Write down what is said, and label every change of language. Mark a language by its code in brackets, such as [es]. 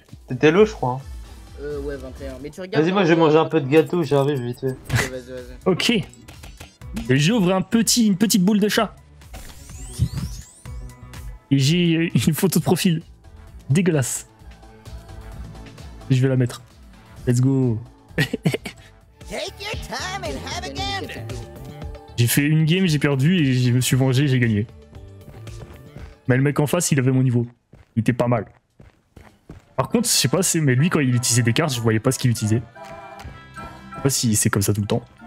[fr] T'étais le, je crois. Ouais, 21. Mais tu regardes. Vas-y, moi je vais manger un peu de gâteau, j'arrive vite fait. Ok, vas-y, vas-y. Ok. J'ouvre une petite boule de chat. Et j'ai une photo de profil. Dégueulasse. Et je vais la mettre. [en] Let's go. Take your time and have a gander. [fr] J'ai fait une game, j'ai perdu et je me suis vengé, j'ai gagné. Mais le mec en face, il avait mon niveau. Il était pas mal. Par contre, je sais pas, c'est... mais lui, quand il utilisait des cartes, je voyais pas ce qu'il utilisait. Je sais pas si c'est comme ça tout le temps.